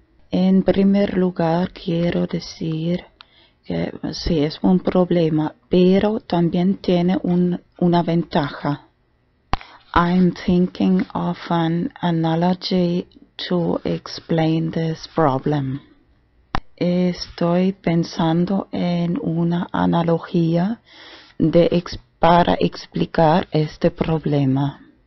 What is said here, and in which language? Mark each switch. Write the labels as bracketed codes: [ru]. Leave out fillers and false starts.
[es] En primer lugar, quiero decir que sí, es un problema, pero también tiene una ventaja. [en] I'm thinking of an analogy to explain this problem. [es] Estoy pensando en una analogía de para explicar este problema.